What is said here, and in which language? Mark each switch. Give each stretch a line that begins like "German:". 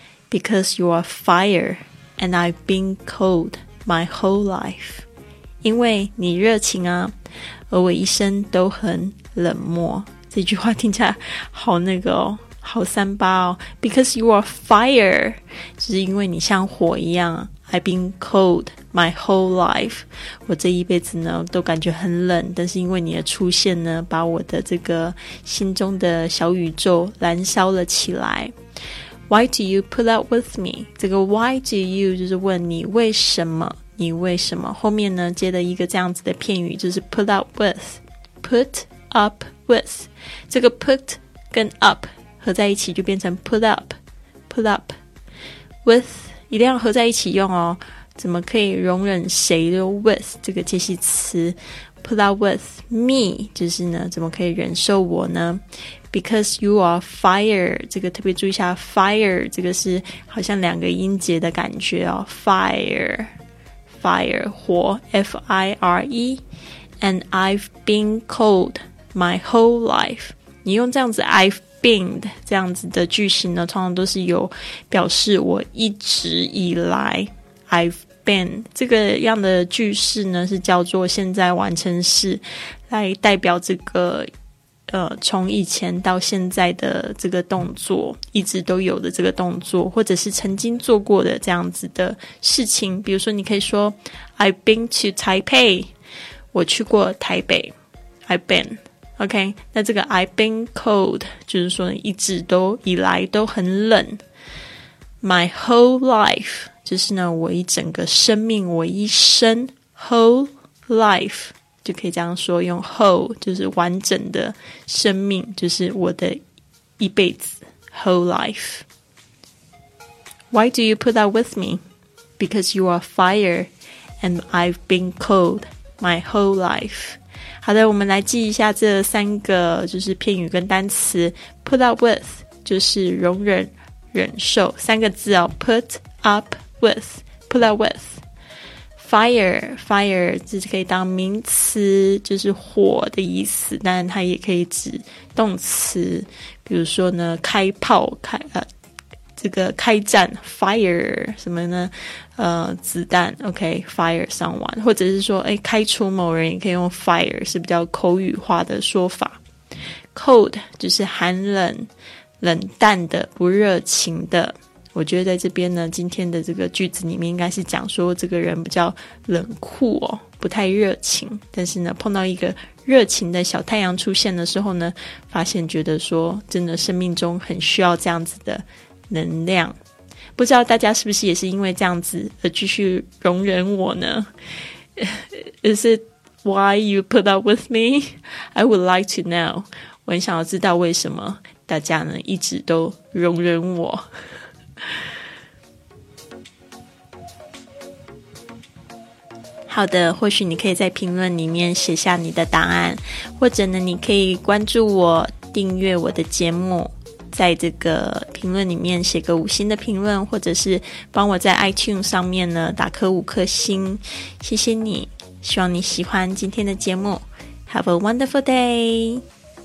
English: Because you are fire and I've been cold my whole life.
Chinese: 因为你热情啊，而我一生都很冷漠。这句话听起来好那个哦，好三八哦。 Because you are fire, 就是因为你像火一样。
English: I've been cold my whole life.
Chinese: 我这一辈子呢都感觉很冷，但是因为你的出现呢，把我的这个心中的小宇宙燃烧了起来。
English: Why do you put up with me?
Chinese: 这个 why do you 就是问你为什么，你为什么。后面呢接了一个这样子的片语，就是 put up with, put up with。这个 put 跟 up 合在一起就变成 put up, put up with, 一定要合在一起用哦。怎么可以容忍谁的 with 这个介系词， put up with me 就是呢怎么可以忍受我呢？ Because you are fire, 这个特别注意一下， fire 这个是好像两个音节的感觉哦， fire, fire 火， F-I-R-E, and I've been cold my whole life。你用这样子 I've been 这样子的句型呢，通常都是有表示我一直以来。 I've been 这个样的句式呢是叫做现在完成式，来代表这个从以前到现在的这个动作，一直都有的这个动作，或者是曾经做过的这样子的事情。比如说你可以说 I've been to Taipei, 我去过台北。 I've beenOK, 那这个 I've been cold 就是说一直都以来都很冷。 My whole life 就是呢我一整个生命，我一生 whole life 就可以这样说，用 whole 就是完整的生命，就是我的一辈子 whole life。
English: Why do you put up with me? Because you are fire and I've been cold my whole life。
Chinese: 好的，我们来记一下这三个就是片语跟单词。 put up with 就是容忍忍受，三个字哦， put up with, put up with。 fire, fire 这是可以当名词，就是火的意思，但它也可以指动词，比如说呢开炮，开这个开战 fire 什么呢，子弹 OK, fire someone, 或者是说诶开除某人，也可以用 fire, 是比较口语化的说法。 cold 就是寒冷，冷淡的，不热情的。我觉得在这边呢今天的这个句子里面应该是讲说这个人比较冷酷哦，不太热情，但是呢碰到一个热情的小太阳出现的时候呢，发现觉得说真的生命中很需要这样子的能量。不知道大家是不是也是因为这样子而继续容忍我呢？
English: Is it why you put up with me? I would like to know.
Chinese: 我很想要知道为什么大家呢一直都容忍我。好的，或许你可以在评论里面写下你的答案，或者呢你可以关注我，订阅我的节目，在这个评论里面写个五星的评论，或者是帮我在 iTunes 上面呢打颗五颗星，谢谢你，希望你喜欢今天的节目。 Have a wonderful day!